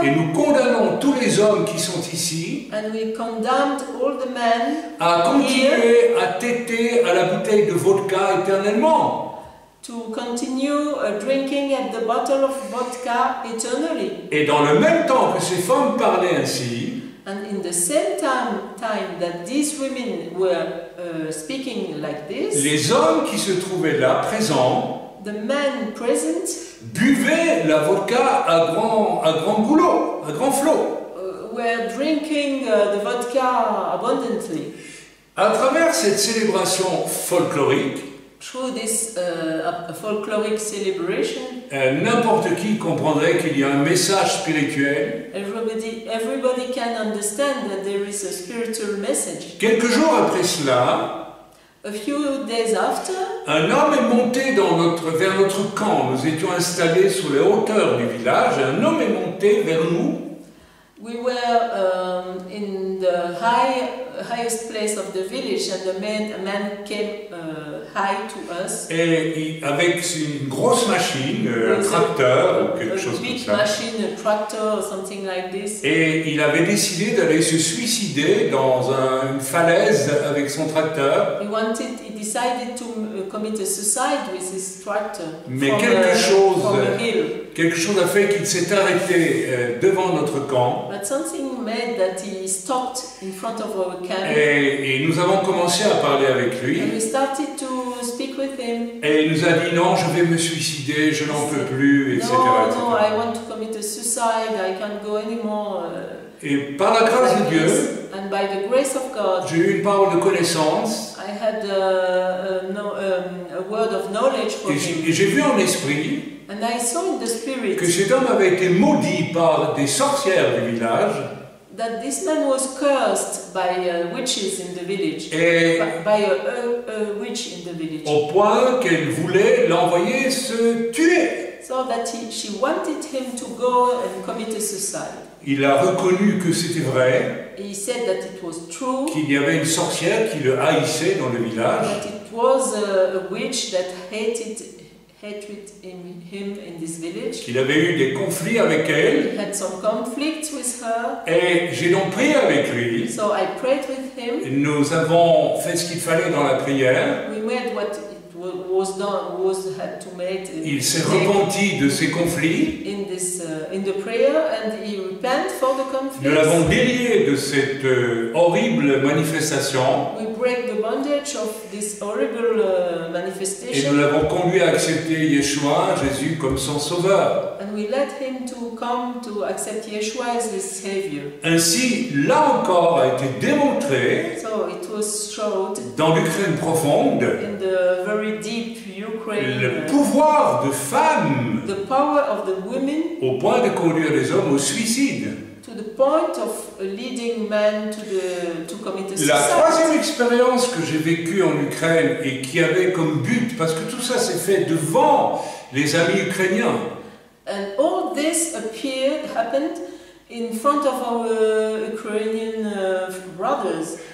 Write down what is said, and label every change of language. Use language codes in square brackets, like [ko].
[fr] et nous condamnons tous les hommes qui sont ici, [en] and we condemned all the men, [fr] à continuer here, à téter à la bouteille de vodka éternellement. [en] To continue drinking at the bottle of vodka eternally. [fr] Et dans le même temps que ces femmes parlaient ainsi, [en] and in the same time that these women were speaking like this, [fr] les hommes qui se trouvaient là présents, [en] the men present, [fr] buvaient la vodka à grand flot, [en] were drinking the vodka abundantly. [fr] À travers cette célébration folklorique, [en] through this folkloric celebration, [fr] n'importe qui comprendrait qu'il y a un message spirituel. [en] Everybody can understand that there is a spiritual message. [fr] Quelques jours après cela, [en] a few days after, [fr] un homme est monté vers notre camp. Nous étions installés sur les hauteurs du village. Un homme est monté vers nous. [en] We were in the high highest place of the village, and a man came high to us. [fr] Et avec une grosse machine, un tracteur ou quelque chose comme ça. [en] A big machine, a tractor or something like this. [fr] Et il avait décidé d'aller se suicider dans une falaise avec son tracteur. [en] He decided to commit a suicide with his tractor. [fr] Mais quelque chose a fait qu'il s'est arrêté devant notre camp. [en] But something made that he stopped in front of our camp. [fr] Et nous avons commencé à parler avec lui. [en] And we started to speak with him. [fr] Et il nous a dit non, je vais me suicider, je n'en peux plus, etc. [en] No, I want to commit a suicide. I can't go anymore. [fr] Et par la grâce de Dieu, [en] and by the grace of God, [fr] j'ai eu une parole de connaissance. [en] I had a word of knowledge for him. [fr] Et j'ai vu en esprit. [en] And I saw in the spirit [fr] que cet homme avait été maudit par des sorcières du village. [en] That this man was cursed by witches in the village. [fr] Et [en] by a witch in the village. [fr] Au point qu'elle voulait l'envoyer se tuer. [en] So that she wanted him to go and commit a suicide. [fr] Il a reconnu que c'était vrai. [en] He said that it was true. [fr] Qu'il y avait une sorcière qui le haïssait dans le village. [en] That it was a witch that hated him. Hatred in him in this village. [fr] Il avait eu des conflits avec elle. [en] He had some conflicts with her. [fr] Et j'ai donc prié avec lui. [en] So I prayed with him. [fr] Et nous avons fait ce qu'il fallait dans la prière. [en] We made what it was done, was had to make. [fr] Il s'est repenti de ses conflits. [en] In this, in the prayer, and he repented for the conflicts. [fr] Nous l'avons délié de cette horrible manifestation. [en] We break the bondage of this horrible. [fr] Et nous l'avons conduit à accepter Yeshua, Jésus, comme son sauveur. [en] And we led him to come to accept Yeshua as his savior. [fr] Ainsi, là encore, a été démontré [en] so it was showed [fr] dans l'Ukraine profonde [en] in the very deep Ukraine, [fr] le pouvoir de femme [en] the power of the women, [fr] au point de conduire les hommes au suicide. [en] To the point of leading men to commit suicide. [fr] La troisième expérience que j'ai vécue en Ukraine et qui avait comme but, parce que tout ça s'est fait devant les amis ukrainiens. [en] And all this happened in front of our Ukrainian brothers.